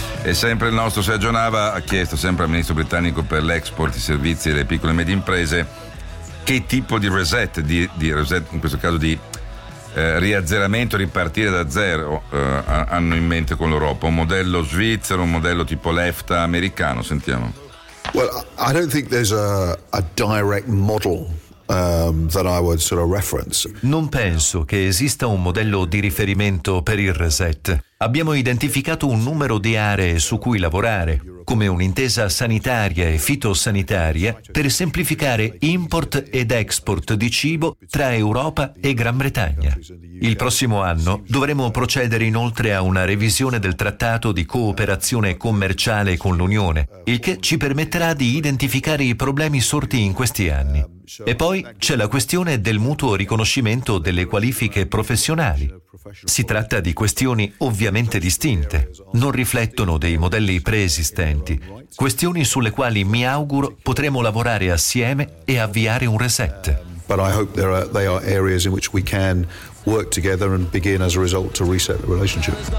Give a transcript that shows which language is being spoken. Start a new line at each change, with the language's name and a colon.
Italian: E sempre il nostro Sergio Nava ha chiesto sempre al ministro britannico per l'export, i servizi e le piccole e medie imprese che tipo di reset, reset in questo caso di riazzeramento, ripartire da zero hanno in mente con l'Europa. Un modello svizzero, un modello tipo l'EFTA americano, sentiamo.
English: Well, I don't think there's a direct model that I would sort of reference.
Italian: Non penso che esista un modello di riferimento per il reset. Abbiamo identificato un numero di aree su cui lavorare, come un'intesa sanitaria e fitosanitaria, per semplificare import ed export di cibo tra Europa e Gran Bretagna. Il prossimo anno dovremo procedere inoltre a una revisione del trattato di cooperazione commerciale con l'Unione, il che ci permetterà di identificare i problemi sorti in questi anni. E poi c'è la questione del mutuo riconoscimento delle qualifiche professionali. Si tratta di questioni ovviamente distinte, non riflettono dei modelli preesistenti, questioni sulle quali mi auguro potremo lavorare assieme e avviare un reset.
English: But I hope there are areas in which we can work together and begin as a result to reset the relationship.